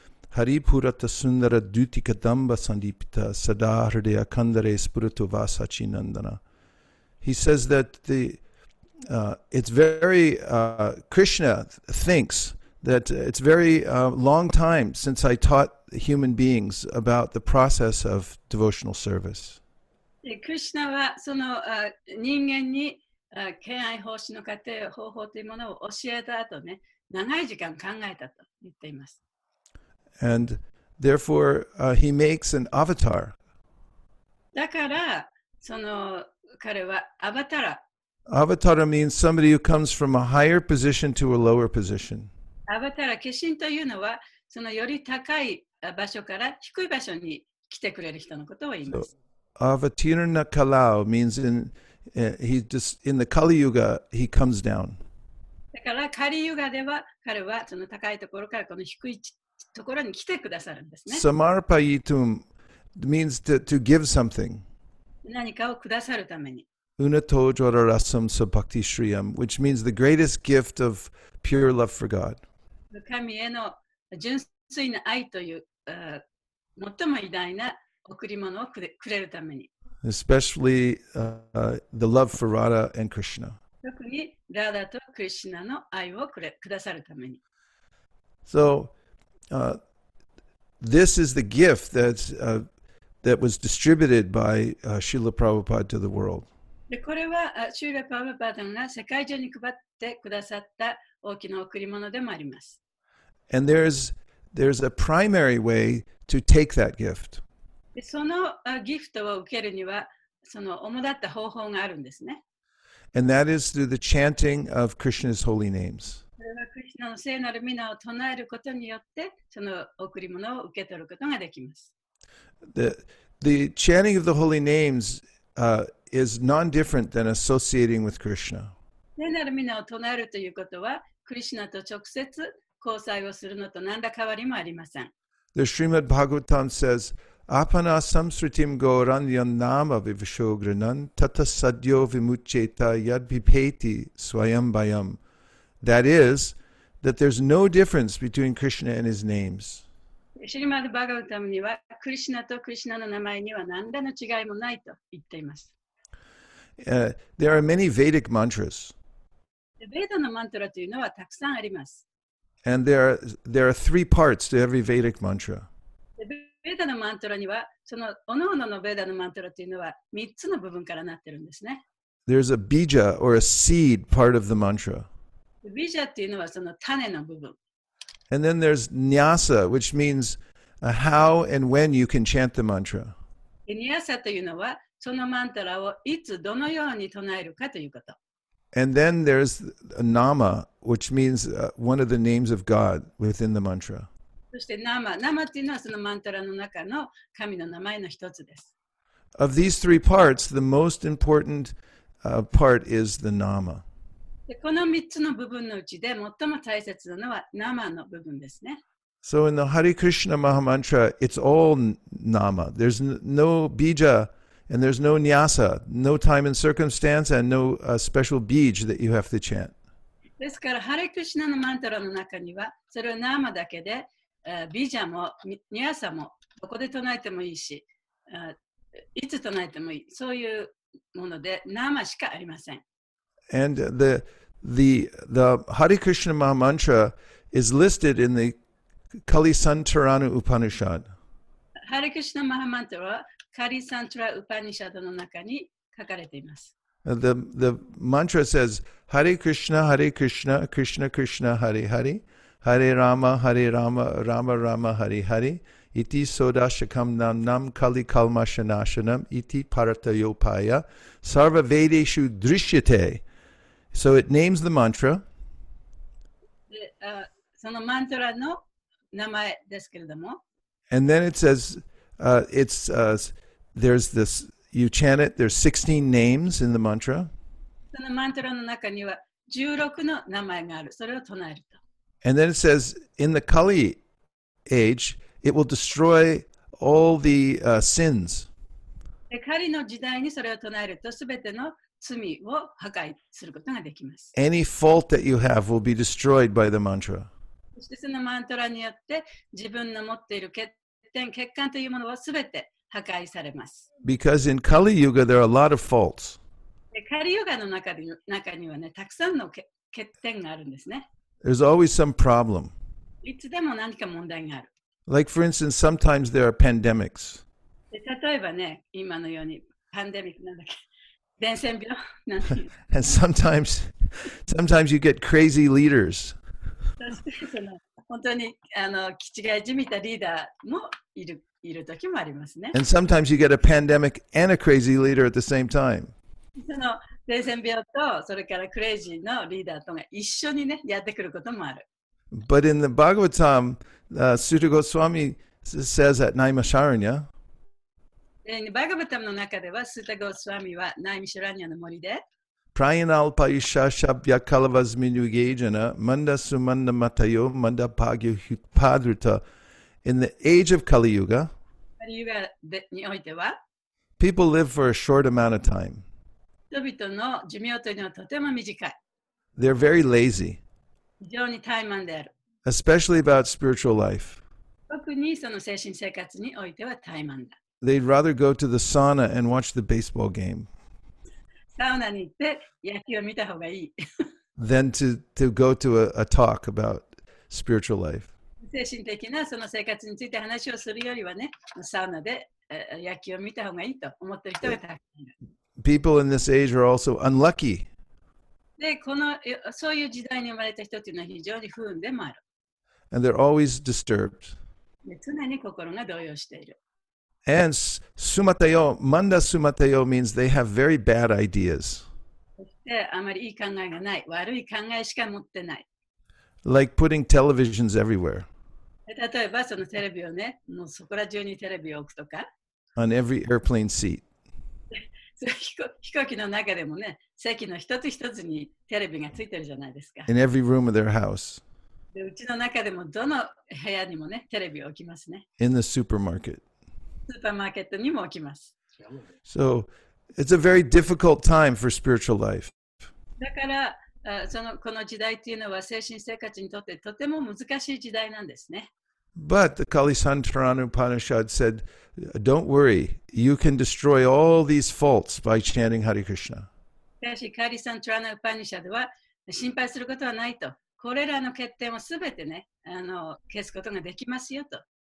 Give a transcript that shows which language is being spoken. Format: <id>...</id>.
<sa>Hari purata sundara dutika damba sandipita sadahrdeya kandare spiritu vasachi nandana.</sa> <en>He says that the, it's very, Krishna thinks that it's very long time since I taught human beings about the process of devotional service.</en> <ja>Krishna はその人間に敬愛奉仕の過程方法というものを教えた後ね、長い時間考えたと言っています。</ja> <en>And therefore, he makes an avatar.</en> <ja>だから、その彼はアバタラ。</ja> <en>Avatar means somebody who comes from a higher position to a lower position.</en> <ja>アバタラ、化身というのは、そのより高い場所から低い場所に来てくれる人のことを言います。</ja> <sa>Avatirna Kalao</sa> <en>means in the Kali Yuga, he comes down.</en> <ja>だから、カリユガでは、彼はその高いところからこの低いところに来てくださるんですね。</ja> <en>Samarpayitum means to give something.</en> <ja>何かをくださるために。</ja> <sa>Unatojvararasam sabhakti shriyam,</sa> <en>which means the greatest gift of pure love for God.</en> <ja>神への純粋な愛という最も偉大な贈り物をくれるために。</ja> <en>Especially the love for Radha and Krishna.</en> <ja>特にラダとクリシュナの愛をくださるために。</ja> <en>So,this is the gift that, that was distributed by Srila Prabhupada to the world.</en> <ja>これは Srila Prabhupada が世界中に配ってくださった大きな贈り物でもあります。</ja> <en>And there's a primary way to take that gift.</en> <ja>そのギフトを受けるには、その主だった方法があるんですね。</ja> <en>And that is through the chanting of Krishna's holy names.</en> <ja>クリシュナの聖なる名を唱えることによってその贈り物を受け取ることができます。</ja> <en>The chanting of the holy names is non-different than associating with Krishna.</en> <ja>聖なる名を唱えるということはクリシュナと直接交際をするのと何ら変わりもありません。</ja> <en>The Srimad Bhagavatam says,</en> <sa>Apana samsritim gaurandhyam nama vivashogranan tata sadyo vimucheta yad vipeti swayambayam.</sa> <en>That is, that there's no difference between Krishna and his names.</en> <ja>Srimad Bhagavatam には、クリシュナとクリシュナの名前には何らの違いもないと言っています。</ja> <en>There are many Vedic mantras.</en> <ja>Veda のマントラというのはたくさんあります。</ja> <en>And there are three parts to every Vedic mantra.</en> <ja>ベーダのマントラには、その各々のベーダのマントラというのは3つの部分からなってるんですね。</ja> <en>There's a bija or a seed part of the mantra.</en> <ja>Bija というのはその種の部分。</ja> <en>And then there's nyasa, which means how and when you can chant the mantra.</en> <ja>Nyasa というのはそのマントラをいつどのように唱えるかということ。</ja> <en>And then there's a nama, which means one of the names of God within the mantra.</en> <ja>そして nama、nama というのはそのマントラの中の神の名前の一つです。</ja> <en>Of these three parts, the most important part is the nama.</en> <ja>で、この3つの部分のうちで最も大切なのは nama の部分ですね。</ja> <en>So in the Hare Krishna Mahamantra, it's all nama. There's no bija. And there's no nyasa, no time and circumstance, and no special bij that you have to chant.</en> <ja>ですから、ハレクシナのマントラの中には、それはナーマだけで、ビジャもニアサもどこで唱えてもいいし、いつ唱えてもいい、そういうもので、ナーマしかありません。</ja> <en>And the Hare Krishna Mahamantra is listed in the Kali Santarana Upanishad.</en> <ja>ハレクシナマハマントラはカリサントラウパニシャドの中に書かれています。</ja> <en>The mantra says</en> <sa>Hare Krishna, Hare Krishna, Krishna Krishna, Hare Hare, Hare Rama, Hare Rama, Rama Rama, Hare Hare, Iti Sodashakam Nam Nam Kali Kalmashanashanam, Iti Paratayopaya, Sarva Vedeshu Drishyate.</sa> <en>So it names the mantra.</en> <ja>そのマントラの名前ですけれども。</ja> <en>And then it says,there's this, you chant it, there's 16 names in the mantra.</en> <ja>そのマントラの中には16の名前がある。それを唱えると。</ja> <en>And then it says, in the Kali age, it will destroy all the sins.</en> <ja>で、カリの時代にそれを唱えると、すべての罪を破壊することができます。</ja> <en>Any fault that you have will be destroyed by the mantra.</en> <ja>そしてそのマントラによって、自分の持っている欠点、欠陥というものをすべて、破壊されます。</ja> <en>Because in Kali Yuga there are a lot of faults.</en> <ja>Kali Yuga の中にはね、たくさんの欠点があるんですね。</ja> <en>There's always some problem.</en> <ja>いつでも何か問題がある。</ja> <en>Like for instance, sometimes there are pandemics.</en> <ja>例えばね、今のようにパンデミックなんだっけ、伝染病なんて。</ja> <en>And sometimes you get crazy leaders.</en> <ja>その本当に気違いじみたリーダーもいる。いる時もありますね。</ja> <en>And sometimes you get a pandemic and a crazy leader at the same time.</en> <ja>その伝染病とそれからクレイジーのリーダーとが一緒にねやってくることもある。</ja> <en>But in the Bhagavatam, Sutta Goswami says at Naimisharanya.</en> <ja>Bhagavatam の中では Sutta Goswami は Naimisharanya の森で。</ja> <sa>Prayanalpayushashabhyakalavasminyugejana mandasumandamatayo mandapagyuhutpadrita.</sa> <en>In the age of Kali Yuga,</en> <ja>Kali Yuga においては、</ja> <en>people live for a short amount of time.</en> <ja>人々の寿命というのはとても短い。</ja> <en>They're very lazy.</en> <ja>非常に怠慢である。</ja> <en>Especially about spiritual life.</en> <ja>特にその精神生活においては怠慢だ。</ja> <en>They'd rather go to the sauna and watch the baseball game.</en> <ja>サウナに行って野球を見た方がいい。</ja> <en>than to go to a talk about spiritual life.</en> <ja>精神的なその生活について話をするよりはね、サウナで野球を見た方がいいと思っている人がたくさんいる。</ja> <en>People in this age are also unlucky.</en> <ja>で、このそういう時代に生まれた人というのは非常に不運でもある。</ja> <en>And they're always disturbed.</en> <ja>で、常に心が動揺している。</ja> <en>And sumatayo, manda sumatayo means they have very bad ideas.</en> <ja>そして、あまりいい考えがない、悪い考えしか持ってない。</ja> <en>Like putting televisions everywhere.</en> <ja>例えばそのテレビをね、もうそこら中にテレビを置くとか。</ja> <en>On every airplane seat.</en> <ja>飛行機の中でもね、席の一つ一つにテレビがついてるじゃないですか。</ja> <en>In every room of their house.</en> <ja>うちの中でもどの部屋にもね、テレビを置きますね。</ja> <en>In the supermarket.</en> <ja>スーパーマーケットにも置きます。</ja> <en>So, it's a very difficult time for spiritual life.</en> <ja>だから、この時代というのは精神生活にとってとても難しい時代なんですね。</ja> <en>But the Kali Santarana Upanishad said, "Don't worry, you can destroy all these faults by chanting Hare Krishna."</en> <ja>しかし、カリ・サントラーナ・ウパニシャドは心配することはないと、これらの欠点をすべてね、消すことができますよと</ja>